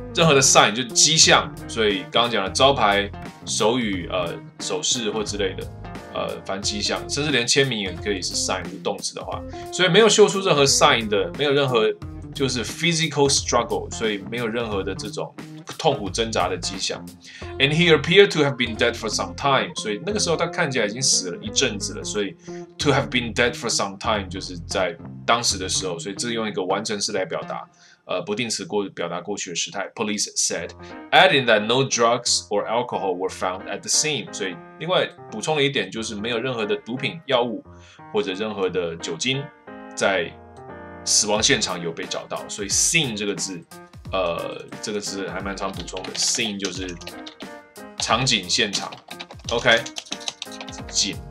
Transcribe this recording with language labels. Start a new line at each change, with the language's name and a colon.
Chinese: 任何的 sign 就迹象，所以刚刚讲的招牌、手语、手势或之类的，反正迹象，甚至连签名也可以是 sign， 如动词的话，所以没有秀出任何 sign 的，没有任何就是
English: physical struggle，
Chinese: 所以没有任何的这种痛苦挣扎的迹象。
English: And he appeared to have been dead for some time，
Chinese: 所以那个时候他看起来已经死了一阵子了，所以
English: to have been dead for some time
Chinese: 就是在当时的时候，所以这用一个完成式来表达。不定词过表达过去的时态。
English: Police said, adding that no drugs or alcohol were found at the scene.
Chinese: 所以另外补充了一点，就是没有任何的毒品、药物或者任何的酒精在死亡现场有被找到。所以 scene 这个字，这个字还蛮常补充的。 Scene 就是场景、现场。OK， 景。